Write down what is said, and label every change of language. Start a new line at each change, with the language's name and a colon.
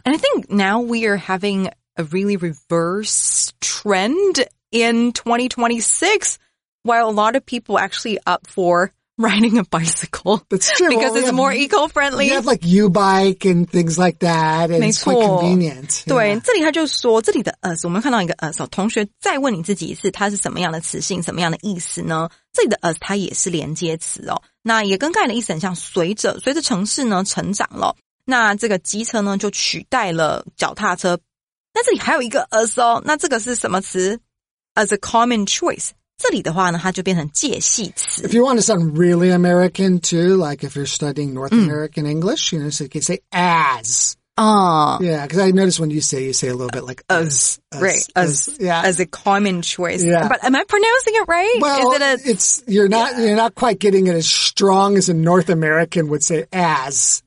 English: And I think now we are having a really reverse trend in 2026, while a lot of people actually up for riding a bicycle. That's true. Because well, it's more eco-friendly. You have like U-bike and things like that, and
Chinese: 没错,
English: it's quite convenient.
Chinese: 对,这里他就说,这里的us,我们看到一个us, 同学再问你自己一次,它是什么样的词性,什么样的意思呢? 这里的us,它也是连接词哦, 那也跟刚才的意思很像,随着城市呢,成长了, 那这个机车呢,就取代了脚踏车, 那这里还有一个us哦, 那这个是什么词?
English: As a common choice.
Chinese: 这里的话呢,它就变成介系词。
English: If you want to sound really American too, like if you're studying North American English, you know, so you can say as. Yeah, because I noticed when you say a little bit like as a common choice. Yeah. But am I pronouncing it right? Well, you're not quite getting it as strong as a North American would say as.